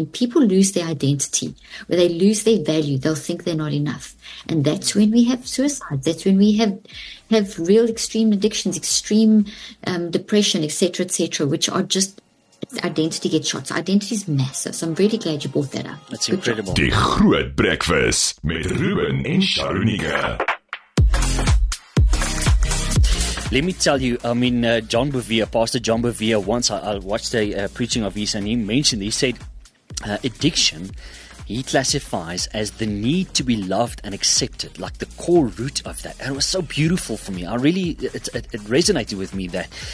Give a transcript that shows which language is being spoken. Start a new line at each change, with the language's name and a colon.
English: When people lose their identity, where they lose their value, they'll think they're not enough. And that's when we have suicides. That's when we have real extreme addictions, extreme depression, et cetera, which are just identity gets shot. So identity is massive. So I'm really glad you brought that up. That's incredible.
Afrikaans: Die Groot Breakfast met Ruben en Sharunika.
English: Let me tell you, I mean, John Bevere, Pastor John Bevere, once I watched the preaching of his, and he mentioned, he said, addiction, he classifies as the need to be loved and accepted, like the core root of that. And it was so beautiful for me. I really, it resonated with me that.